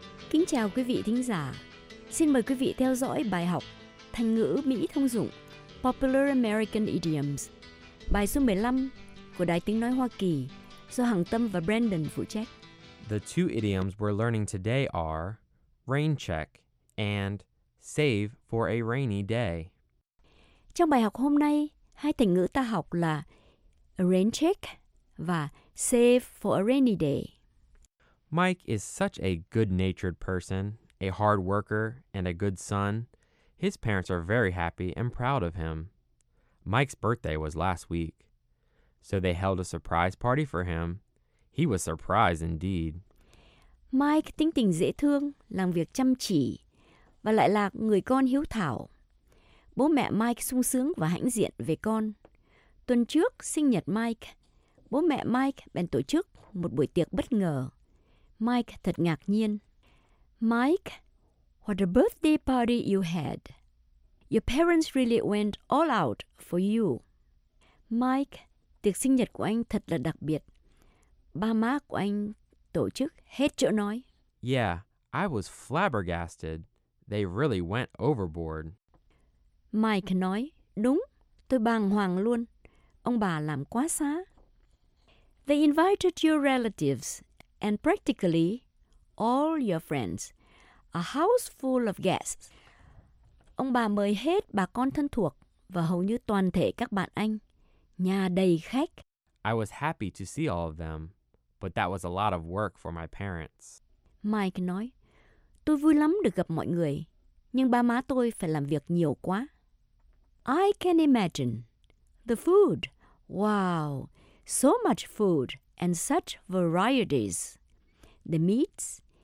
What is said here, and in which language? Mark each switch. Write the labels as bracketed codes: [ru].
[vi] Kính chào quý vị thính giả. Xin mời quý vị theo dõi bài học thành ngữ Mỹ thông dụng Popular American Idioms, bài số 15 của Đài Tiếng Nói Hoa Kỳ. So Hằng Tâm và Brandon phụ trách. [en] The two idioms we're learning today are rain check and save for a rainy day. [vi] Trong bài học hôm nay, hai thành ngữ ta học là a rain check và save for a rainy day. [en] Mike is such a good-natured person, a hard worker, and a good son. His parents are very happy and proud of him. Mike's birthday was last week. So they held a surprise party for him. He was surprised indeed. [vi] Mike tính tình dễ thương, làm việc chăm chỉ và lại là người con hiếu thảo. Bố mẹ Mike sung sướng và hãnh diện về con. Tuần trước sinh nhật Mike, bố mẹ Mike bèn tổ chức một buổi tiệc bất ngờ. Mike thật ngạc nhiên. [en] Mike, what a birthday party you had. [vi] Your parents really went all out for you. Mike, tiệc sinh nhật của anh thật là đặc biệt. Ba má của anh tổ chức hết chỗ nói. [en] Yeah, I was flabbergasted. They really went overboard. [vi] Mike nói, đúng, tôi bàng hoàng luôn. Ông bà làm quá xá. [en] They invited your relatives and practically all your friends. A house full of guests. [vi] Ông bà mời hết bà con thân thuộc và hầu như toàn thể các bạn anh. Nhà đầy khách. [en] I was happy to see all of them, but that was a lot of work for my parents. [vi] Mike nói, tôi vui lắm được gặp mọi người, nhưng ba má tôi phải làm việc nhiều quá. [en] I can imagine. The food. Wow. So much food and such varieties. The meats.